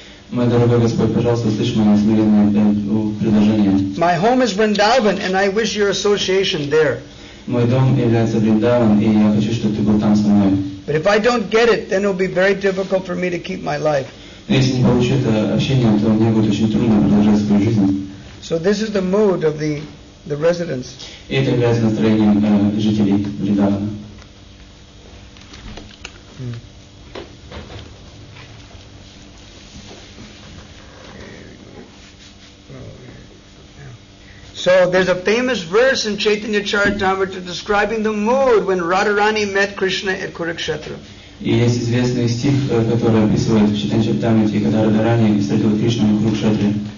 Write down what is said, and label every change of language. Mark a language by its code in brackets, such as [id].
[ru] Мой дорогой Господь, пожалуйста, услышь мое смиренное предложение. [en] My home is Vrindavan and I wish your association there. [ru] Мой дом является Вриндаван, и я хочу, чтобы ты был там со мной. [en] But if I don't get it, then it will be very difficult for me to keep my life. [ru] Если не получу это общение, то мне будет очень трудно продолжать свою жизнь. [en] So this is the mood of the residents. [ru] И это является настроением жителей Вриндавана. Hmm. [en] So there's a famous verse in Chaitanya Charitamrita describing the mood when Radharani met Krishna at Kurukshetra. [ru] И есть известный стих, который описывает в Чайтанья Чаритамрите, когда Радхарани встретила Кришну на Курукшетре.